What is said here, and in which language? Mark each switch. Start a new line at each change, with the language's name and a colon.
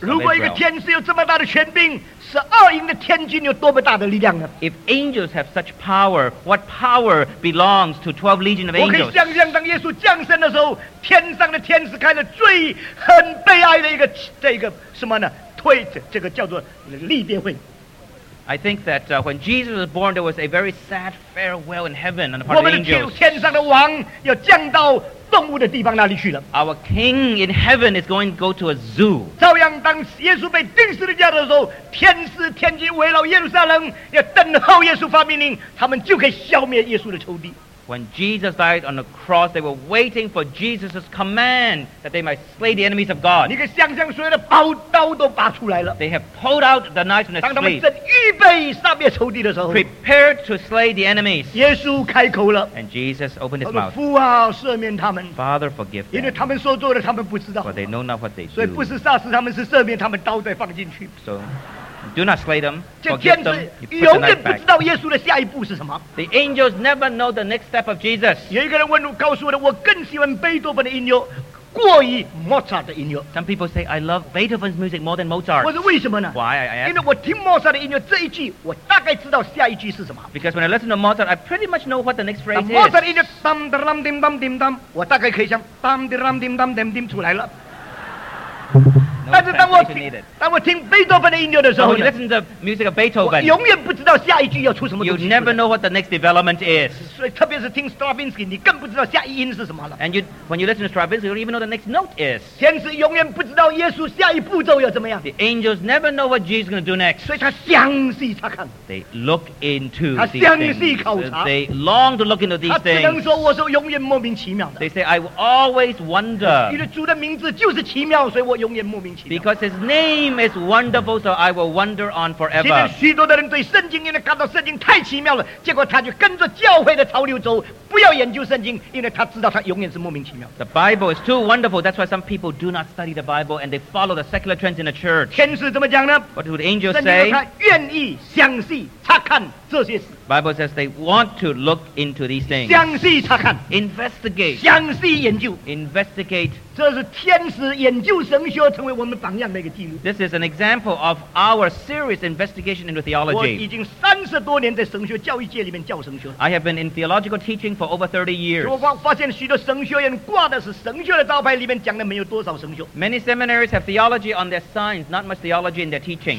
Chinese: 如果一个天使有这么大的权柄，十二营的天军有多么大的力量呢
English: ？If angels have such power, what power belongs to 12 legions of angels?
Chinese: 我可以想象，当耶稣降生的时候，天上的天使开了最很悲哀的一个什么呢？推这个叫做离别会。
English: I think that when Jesus was born, there was a very sad farewell in heaven on the part of the angels.
Chinese: 我们的天上的王要降到动物的地方那里去了。
English: Our king in heaven is going to go to a zoo.
Chinese: 照样，当耶稣被钉十字架的时候，天使天军围绕耶路撒冷，要等候耶稣发命令，他们就可以消灭耶稣的仇敌。
English: When Jesus died on the cross, they were waiting for Jesus' command that they might slay the enemies of God. They have pulled out the knife from the sheath, prepared to slay the enemies. And Jesus opened his mouth.
Chinese: 父啊，赦免他们。
English: Father, forgive them.
Chinese: 因为他们所做的，他们不知道。
English: For they know not what they do.
Chinese: 所以不是杀死他们，是赦免他们，刀再放进去。
English: So. Do not slay them. Forgive them. You put the knife back. The angels never know the next step of Jesus.
Chinese: 有一个人问我，告诉我的，我更喜欢贝多芬的音乐，过于莫扎特的音乐。
English: Some people say I love Beethoven's music more than Mozart.
Chinese: 我说为什么呢
English: ？Why?
Chinese: 因为我听莫扎特的音乐这一句，我大概知道下一句是什么。
English: Because when I listen to Mozart, I pretty much know what the next phrase is.
Chinese: 莫扎特音乐当当当叮当叮当，我大概可以想当当当叮当叮叮出来了。但是当我听贝多芬的音乐的时候
English: When you listen to the music of Beethoven
Chinese: 我永远不知道下一句要出什么东西
English: You never know what the next development is
Chinese: 所以特别是听 Stravinsky 你更不知道下一音是什么了
English: And when you listen to Stravinsky you don't even know the next note is
Chinese: 天使永远不知道耶稣下一步骤要怎么样
English: The angels never know what Jesus is going to do next
Chinese: 所以他详细查看
English: They look into these things
Chinese: 他详细考察
English: They long to look into these things
Chinese: 他只能说我是永远莫名其妙的
English: They say I will always wonder
Chinese: 因为主的名字就是奇妙所以我永远莫名其妙
English: Because his name is wonderful, so I will wonder on forever.
Chinese: 现在许多的人对圣经，因为看到圣经太奇妙了，结果他就跟着教会的潮流走，不要研究圣经，因为他知道他永远是莫名其妙。
English: The Bible is too wonderful. That's why some people do not study the Bible and they follow the secular trends in the church.
Chinese: 天使怎么讲呢
English: ？What do the angels say?
Chinese: 圣经说他愿意详细查看这些事。
English: Bible says they want to look into these things.
Chinese: 详细查看,
English: investigate.
Chinese: 详细研究,
English: investigate.
Chinese: 这是天使研究神学成为我们榜样的一个记录.
English: This is an example of our serious investigation into theology.
Chinese: 我已经30多年在神学教育界里面教神学.
English: I have been in theological teaching for over 30 years.
Chinese: 我发现许多神学院挂的是神学的招牌里面讲的没有多少神学.
English: Many seminaries have theology on their signs, not much theology in their teaching.